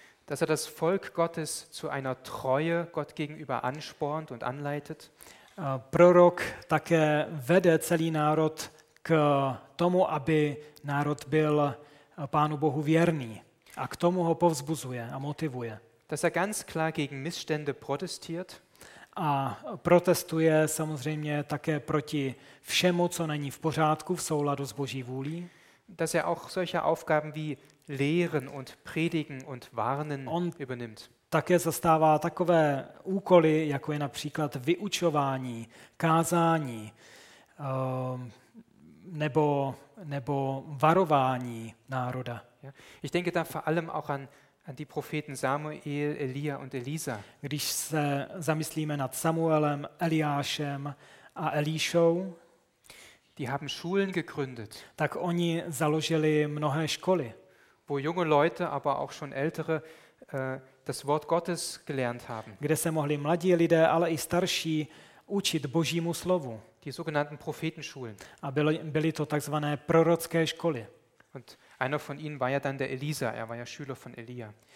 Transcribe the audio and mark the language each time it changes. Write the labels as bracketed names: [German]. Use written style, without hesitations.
[German] Dass er das Volk Gottes zu einer Treue Gott gegenüber anspornt und anleitet. [Czech] Prorok také vede celý národ k tomu, aby národ byl Pánu Bohu věrný, a k tomu ho povzbuzuje a motivuje. [German] Dass er ganz klar gegen Missstände protestiert. [Czech] A protestuje samozřejmě také proti všemu, co není v pořádku, v souladu s Boží vůlí. [German] Dass er auch solche Aufgaben wie lehren und predigen und warnen [Czech] on [German] übernimmt. [Czech] Také zastává takové úkoly, jako je například vyučování, kázání, nebo varování národa. [German] Ja. Ich denke da vor allem auch an die Propheten Samuel, Elia und Elisa. [Czech] Když se zamyslíme nad Samuelem, Eliášem a Elíšou, [German] die haben Schulen gegründet. [Czech] Tak oni založili mnohé školy, [German] wo junge Leute, aber auch schon ältere das Wort Gottes gelernt haben. [Czech] Kde se mohli mladí lidé, ale i starší učit Božímu slovu. [German] Die sogenannten Prophetenschulen. [Czech] A byly to takzvané prorocké školy. [German] Und einer von ihnen war ja dann der Elisa, er war ja Schüler von Elia.